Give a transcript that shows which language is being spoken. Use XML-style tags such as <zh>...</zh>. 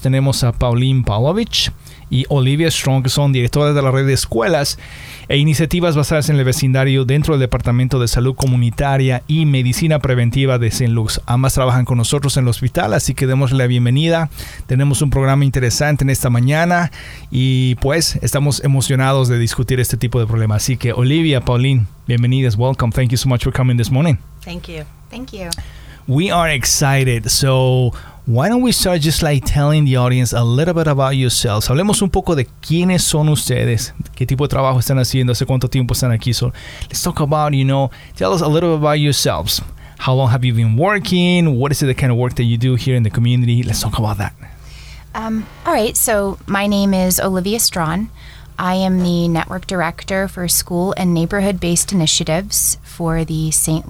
<es>Tenemos a Pauline Pavlovich y Olivia Strong, que son directoras de la Red de Escuelas e Iniciativas Basadas en el Vecindario dentro del Departamento de Salud Comunitaria y Medicina Preventiva de St. Luke's. Ambas trabajan con nosotros en el hospital, así que démosle la bienvenida. Tenemos un programa interesante en esta mañana y pues estamos emocionados de discutir este tipo de problemas. Así que Olivia, Pauline, bienvenidas. Welcome.</es> <en>Thank you so much for coming this morning. Thank you. We are excited. So why don't we start just like telling the audience a little bit about yourselves.</en> <es>Hablemos un poco de quiénes son ustedes, qué tipo de trabajo están haciendo, hace cuánto tiempo están aquí.</es> <en>So let's talk about, you know, tell us a little bit about yourselves. How long have you been working? What is it, the kind of work that you do here in the community? Let's talk about that. All right. So my name is Olivia Strawn. I am the network director for school and neighborhood-based initiatives for the St.</en>